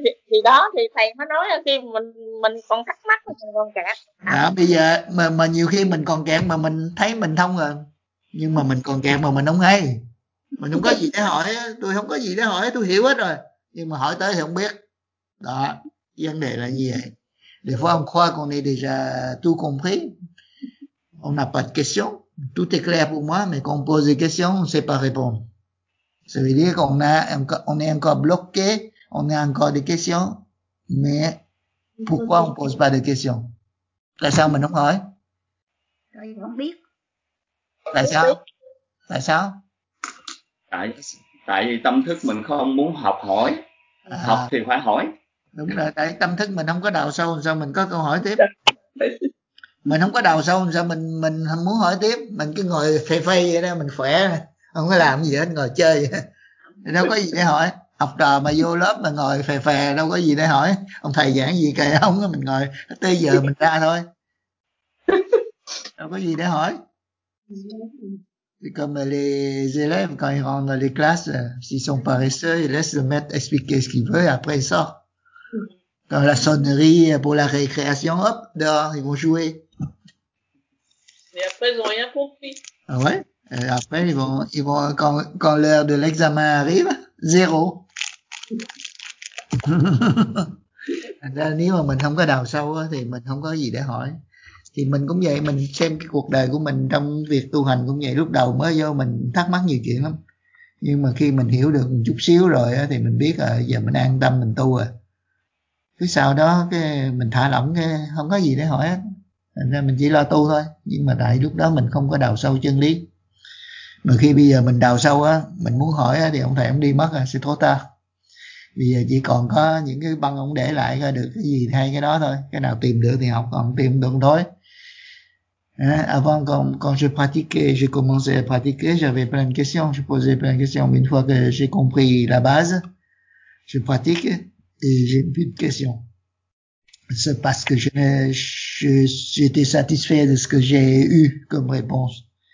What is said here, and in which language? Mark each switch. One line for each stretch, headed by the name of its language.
Vietnamese: Thì đó, thì thầy mới nói là khi mình còn thắc mắc, mình còn kẹt. À, bây giờ mà nhiều khi mình còn kẹt mà mình thấy mình thông rồi, nhưng mà mình còn kẹt mà mình không hay, mình không có gì để hỏi. Tôi không có gì để hỏi, tôi hiểu hết rồi, nhưng mà hỏi tới thì không biết. Đó, vấn đề là như vậy.
French: Des fois on croit qu'on est déjà tout compris, on n'a pas de questions. Tout est clair pour moi, mais quand on pose des questions, on ne sait pas répondre. Ça veut dire qu'on est encore bloqué, on a encore des questions, mais pourquoi on ne pose pas de questions?
Vietnamese: Tại sao mình không hỏi? Tại không biết. Tại sao? Tại sao? Tại vì tâm thức mình không muốn học hỏi. À, học thì phải hỏi. Đúng rồi, tại tâm thức mình không có đào sâu, sao mình có câu hỏi tiếp? Mình không có đào sâu sao mình không muốn hỏi tiếp, mình cứ ngồi phê phê vậy đó, mình khỏe, không có làm gì hết, ngồi chơi vậy. Đâu có gì để hỏi, học trò mà vô lớp mà ngồi phè phè đâu có gì để hỏi, ông thầy giảng gì kệ ông, mình ngồi tới giờ mình ra thôi, đâu có gì để hỏi.
French: Thì comme les élèves quand ils rentrent dans les classes, s'ils sont paresseux, ils laissent le maître expliquer ce qu'il veut et après ils sortent. Dans la sonnerie pour la récréation, hop, dehors, ils vont jouer. Et après, ils n'ont rien compris. Ah ouais? Et après, ils vont quand l'heure de l'examen arrive, zéro.
Vietnamese: Thành ra nếu mà mình không có đào sâu thì mình không có gì để hỏi. Thì mình cũng vậy, mình xem cái cuộc đời của mình trong việc tu hành cũng vậy. Lúc đầu mới vô mình thắc mắc nhiều chuyện lắm. Nhưng mà khi mình hiểu được một chút xíu rồi thì mình biết là giờ mình an tâm, mình tu rồi. Cứ sau đó cái mình thả lỏng, cái không có gì để hỏi hết. Thành ra mình chỉ lo tu thôi. Nhưng mà tại lúc đó mình không có đào sâu chân lý. Mà khi bây giờ mình đào sâu á, mình muốn hỏi á, thì ông thầy ông đi mất rồi,
French: c'est trop tard.
Vietnamese: Bây giờ chỉ còn có những cái băng ông để lại ra được cái gì hay cái đó thôi. Cái nào tìm được thì học, còn tìm được thôi.
French: Avant, quand je pratiquais, j'ai commencé à pratiquer, j'avais plein de questions, je posais plein de questions. Une fois que j'ai compris la base, je pratique et j'ai plus de questions. C'est parce que j'étais satisfait de ce que j'ai eu comme réponse.